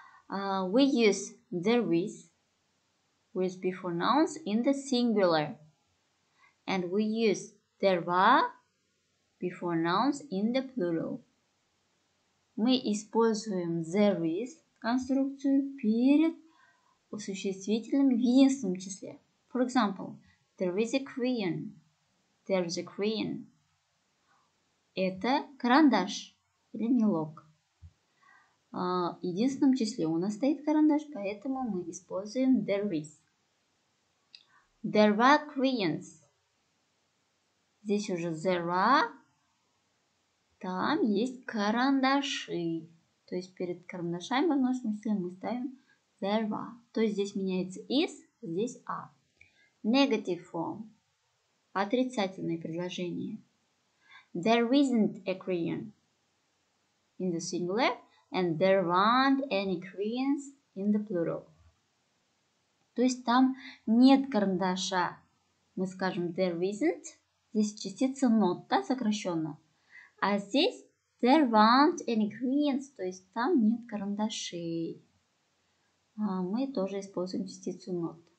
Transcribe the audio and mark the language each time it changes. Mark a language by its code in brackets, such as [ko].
[en] We use there is with before nouns in the singular. And we use there are before nouns in the plural. [ru] Мы используем there is конструкцию перед существительным в единственном числе. [en] For example, there is a crayon. There's a crayon. [ru] Это карандаш или мелок. В единственном числе у нас стоит карандаш, поэтому мы используем there is. [en] There are crayons. [ru] Здесь уже [en] there are. [ru] Там есть карандаши. То есть перед карандашами в нашем числе мы ставим there are. То есть здесь меняется is, здесь are. [en] Negative form. [ru] Отрицательное предложение. [en] There isn't a crayon in the singular and there aren't any crayons in the plural. [ru] То есть там нет карандаша. Мы скажем there isn't. Здесь частица not, да, сокращенно. А здесь [en] there aren't any crayons. [ru] То есть там нет карандашей. А мы тоже используем частицу not.